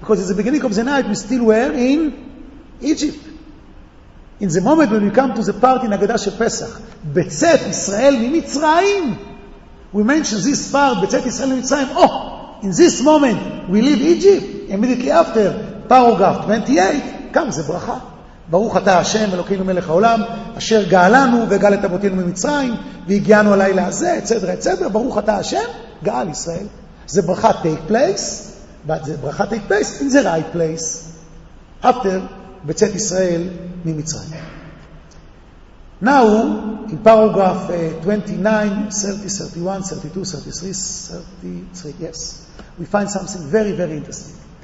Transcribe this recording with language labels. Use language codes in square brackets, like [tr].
[en] Because in the beginning of the night, we still were in Egypt. In the moment when we come to the part in Agadah Shel Pesach, Betzet Yisrael Mitzrayim. We mention this part, Betzet Yisrael Mitzrayim. Oh, in this moment, we leave Egypt. immediately after paragraph 28 comes the bracha. [he] ברוך אתה השם אלוקינו מלך העולם אשר גאלנו וגאל את אבותינו ממצרים והגיענו הלילה הזה, etc, etc. ברוך אתה השם, גאל ישראל. [en] זה ברכה take place, but זה ברכה take place in the right place after בצאת ישראל ממצרים. Now in paragraph 29, 30, 31, 32, 33, 33, yes, we find something very very interesting.